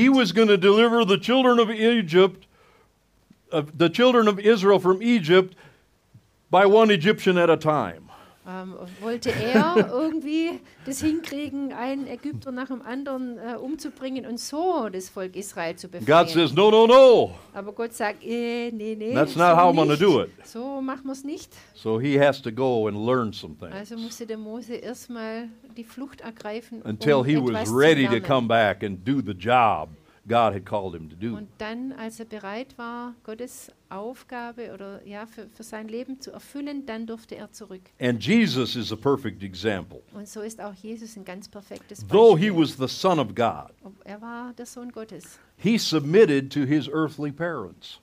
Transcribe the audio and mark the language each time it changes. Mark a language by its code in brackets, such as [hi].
[en] he was going to deliver the children of Egypt, the children of Israel from Egypt, by one Egyptian at a time. [de] Wollte er irgendwie das hinkriegen, einen Ägypter nach dem anderen umzubringen und so das Volk Israel zu befreien? [en] God says, no, no, no. [de] Aber Gott sagt, [en] that's not how I'm going to do it. [de] So machen wir's nicht. [en] So he has to go and learn some things. [de] Also musste der Mose erstmal die Flucht ergreifen, [en] until he was ready to come back and do the job God had called him to do. [de] Und dann, als er bereit war, Gottes Aufgabe oder für sein Leben zu erfüllen, dann durfte er zurück. [en] And Jesus is a perfect example. [de] Und so ist auch Jesus ein ganz perfektes Beispiel. [en] Though he was the Son of God, [de] er war der Sohn Gottes. [en] He submitted to his earthly parents.